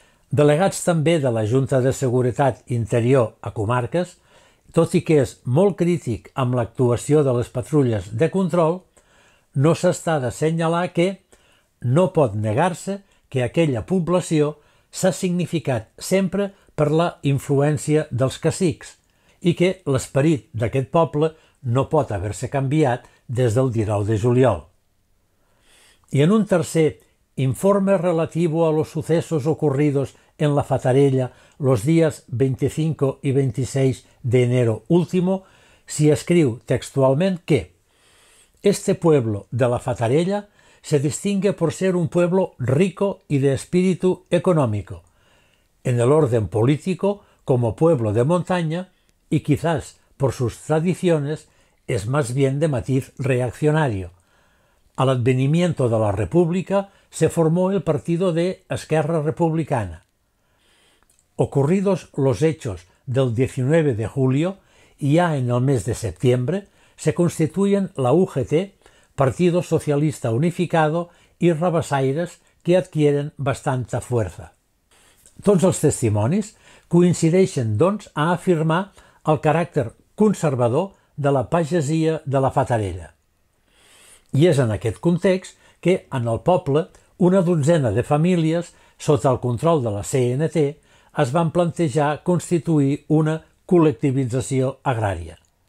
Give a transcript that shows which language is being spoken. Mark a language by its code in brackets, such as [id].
[ca] Delegats també de la Junta de Seguretat Interior a comarques, tot i que és molt crític amb l'actuació de les patrulles de control, no s'està d'assenyalar que no pot negar-se que aquella població s'ha significat sempre per la influència dels cacics i que l'esperit d'aquest poble no pot haver-se canviat des del 19 de juliol. I en un tercer informe [es] relativo a los sucesos ocurridos en la Fatarella los días 25 y 26 de enero último, [ca] s'hi escriu textualment que [es] este pueblo de la Fatarella se distingue por ser un pueblo rico y de espíritu económico, en el orden político como pueblo de montaña y quizás por sus tradiciones es más bien de matiz reaccionario. Al advenimiento de la República se formó el partido de Esquerra Republicana. Ocurridos los hechos del 19 de julio y ya en el mes de septiembre, se constituyen la UGT, Partido Socialista Unificado, y Rabassaires, que adquieren bastanta fuerza. [ca] Tots els testimonis coincideixen, doncs, a afirmar el caràcter conservador de la pagesia de la Fatarella. I és en aquest context que, en el poble, una dotzena de famílies, sota el control de la CNT, es van plantejar constituir una col·lectivització agrària.